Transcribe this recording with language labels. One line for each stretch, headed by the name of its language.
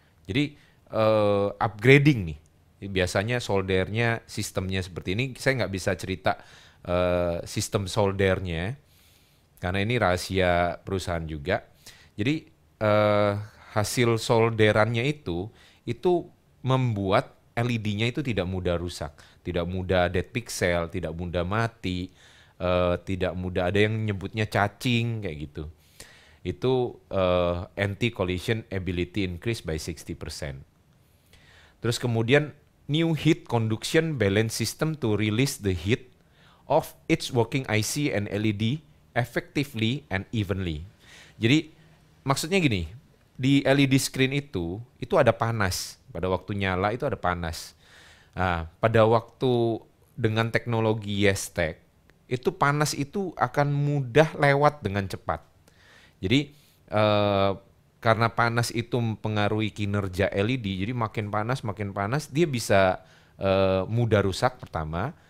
Indonesian: Jadi upgrading nih, biasanya soldernya sistemnya seperti ini, saya nggak bisa cerita sistem soldernya, karena ini rahasia perusahaan juga. Jadi hasil solderannya itu membuat LED-nya itu tidak mudah rusak, tidak mudah dead pixel, tidak mudah mati, tidak mudah ada yang nyebutnya cacing kayak gitu. Itu
English: anti-collision ability increase by 60%.
Indonesian: Terus kemudian
English: new heat conduction balance system to release the heat of each working IC and LED effectively and evenly.
Indonesian: Jadi maksudnya gini, di LED screen itu ada panas. Pada waktu nyala itu ada panas. Nah, pada waktu dengan teknologi YesTech, itu panas itu akan mudah lewat dengan cepat. Jadi karena panas itu mempengaruhi kinerja LED, jadi makin panas, dia bisa mudah rusak pertama.